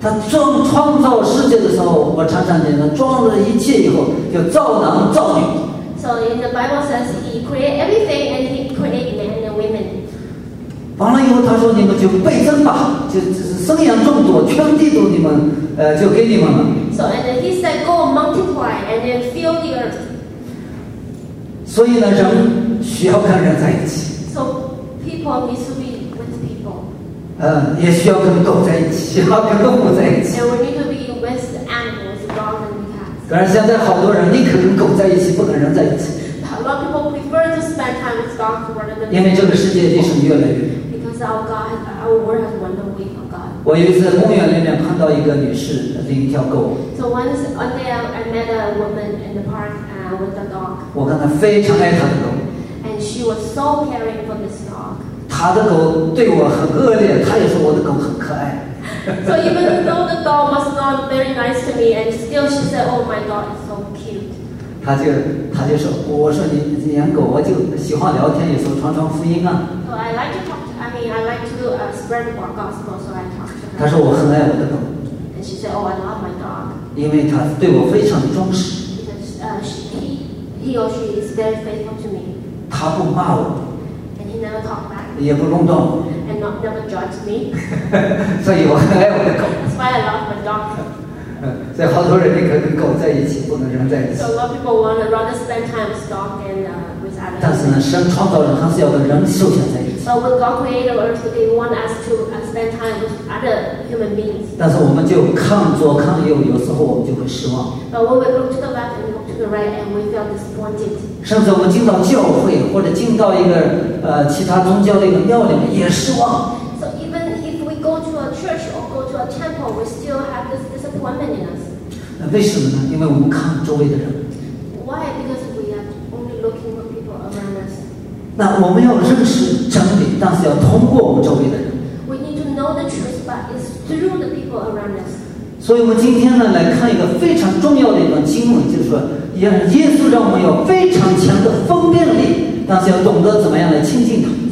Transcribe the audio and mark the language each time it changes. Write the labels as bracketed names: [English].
[Chinese] 他创造世界的时候，我常常讲，他创造了一切以后，就造男造女。 [English] So in the Bible says he created everything and he created men and women. [Chinese] 完了以后，他说你们就倍增吧，就生养众多，全地都你们就给你们了。 [English] So and he said go multiply and then fill the earth. [Chinese] 所以呢，人需要跟人在一起。 [English] So people need to be with people. [Chinese] 也需要跟狗在一起，需要跟动物在一起。 [English] And we need to be with animals, dogs and cats. [Chinese] 可是现在好多人宁可跟狗在一起，不跟人在一起。 [English] A lot of people prefer to spend time with dogs rather than. [Chinese] 因为这个世界离神越来越远。 [English] Because our world has wandered away from God. [Chinese] 我有一次在公园里面碰到一个女士领一条狗。 [English] So once one day I met a woman in the park with a dog. [Chinese] 我看她非常爱她的狗。 [English] And she was so caring for this dog. [Chinese] 他的狗对我很恶劣，他也说我的狗很可爱。 [English] So even though the dog was not very nice to me, and still she said, "Oh my God, it's so cute." [Chinese] 他就说，我说你养狗，我就喜欢聊天，有时候传传福音啊。 [English] So I like to talk. I like to spread the gospel, so I talk to her. [Chinese] 他说我很爱我的狗。 [English] And she said, "Oh, I love my dog." [Chinese] 因为他对我非常的忠实。 [English] Because he or she is very faithful to me. [Chinese] 他不骂我。 [English] And he never talked back. [Chinese] 也不弄断 [English] ，and not never judge me， [Chinese] 所以我很爱我的狗。 [English] That's why I love my dog. [Chinese] 所以好多人宁可跟狗在一起，不能人在一起。 [English] So a lot of people want to rather spend time with dog and with animals. [Chinese] 但是呢，神创造人还是要跟人休想在一起。 [English] So when God created earth, they want us to spend time with other human beings. [Chinese] 但是我们就看左看右，有时候我们就会失望。 [English] But when we look to the left and look to the right, and we feel disappointed. [Chinese] 甚至我们进到教会或者进到一个其他宗教的一个庙里面也失望。 [English] So even if we go to a church or go to a temple, we still have this disappointment in us. [Chinese] 那为什么呢？因为我们看周围的人。 [English] Why? Because we are only looking for people around us. [Chinese] 那我们要认识真理，但是要通过我们周围的人。 [English] We need to know the truth, but it's through the people around us. [Chinese] 所以我们今天呢，来看一个非常重要的一段经文，就是说，耶稣让我们有非常强的分辨力，但是要懂得怎么样来亲近他。